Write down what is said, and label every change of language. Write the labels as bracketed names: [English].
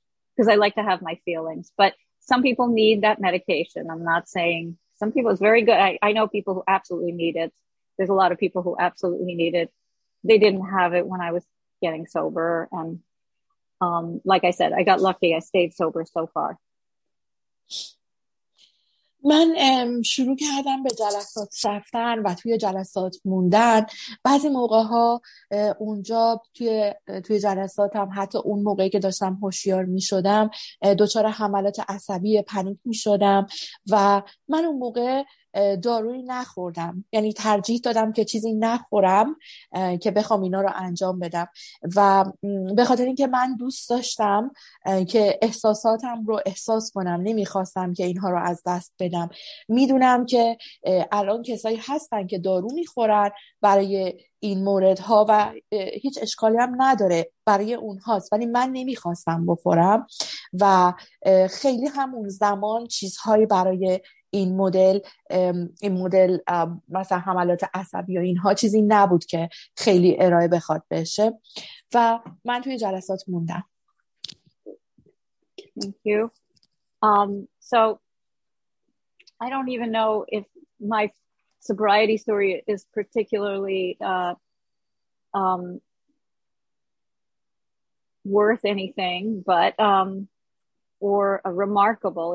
[English] Because I like to have my feelings, but some people need that medication. I'm not saying some people, it's very good. I know people who absolutely need it. There's a lot of people who absolutely need it. They didn't have it when I was getting sober. And like I said, I got lucky. I stayed sober so far. [Persian] من شروع کردم به جلسات رفتن و توی جلسات موندن. بعضی موقع ها اونجا توی جلساتم، حتی اون موقعی که داشتم هوشیار می شدم، دچار حملات عصبی پنیک می شدم و من اون موقع دارویی نخوردم، یعنی ترجیح دادم که چیزی نخورم که بخوام اینا رو انجام بدم، و به خاطر اینکه من دوست داشتم که احساساتم رو احساس کنم، نمیخواستم که اینها رو از دست بدم. میدونم که الان کسایی هستن که دارو میخورن برای این موردها و هیچ اشکالی هم نداره برای اونهاست، ولی من نمیخواستم بخورم و خیلی همون زمان چیزهایی برای این مدل مثلا حملات عصبی و اینها چیزی نبود که خیلی ارائه بخواد بشه و من توی جلسات موندم. [English] Thank you. So I don't even know if my sobriety story is particularly worth anything, but or remarkable.